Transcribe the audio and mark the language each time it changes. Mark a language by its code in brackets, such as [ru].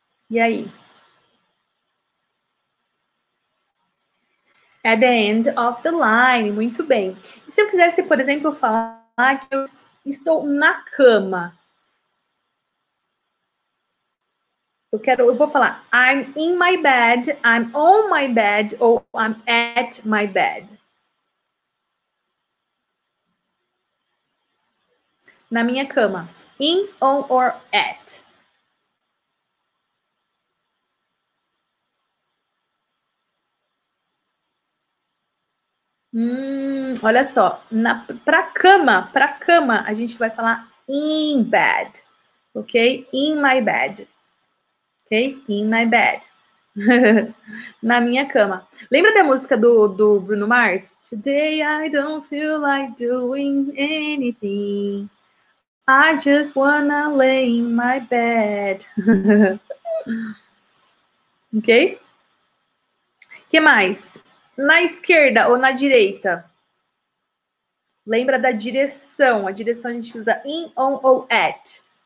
[pt] E aí? [en] At the end of the line. Muito bem. [pt] E se eu quisesse, por exemplo, falar que eu estou na cama. [en] Eu vou falar I'm in my bed, I'm on my bed, ou I'm at my bed. Na minha cama. In, on, or at. [pt] Olha só, para cama, a gente vai falar in bed, ok? [en] In my bed, ok? In my bed, na minha cama. [pt] Lembra da música do Bruno Mars? [en] Today I don't feel like doing anything, I just wanna lay in my bed, ok? [pt] O que mais? Na esquerda ou na direita? Lembra da direção. A direção a gente usa in, on ou at.